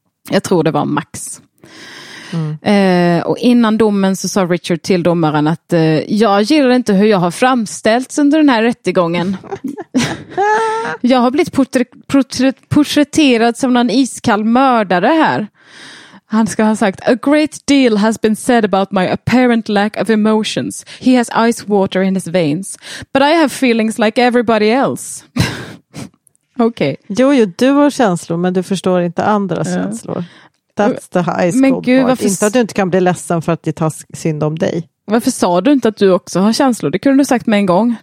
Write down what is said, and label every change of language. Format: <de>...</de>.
<sv>Jag tror det var max. Och innan domen så sa Richard till domaren att jag gillar inte hur jag har framställts under den här rättegången. Jag har blivit porträtterad som någon iskall mördare här. Han ska ha sagt,</sv> <en>a great deal has been said about my apparent lack of emotions. He has ice water in his veins. But I have feelings like everybody else.</en> <sv>Okej.</sv> <en>Okay.</en> <sv>Jo, du har känslor, men du förstår inte andra känslor.</sv> <en>That's the high school.</en> <sv>Men gud, varför... Inte att du inte kan bli ledsen för att det tar synd om dig. Varför sa du inte att du också har känslor? Det kunde du sagt med en gång.</sv>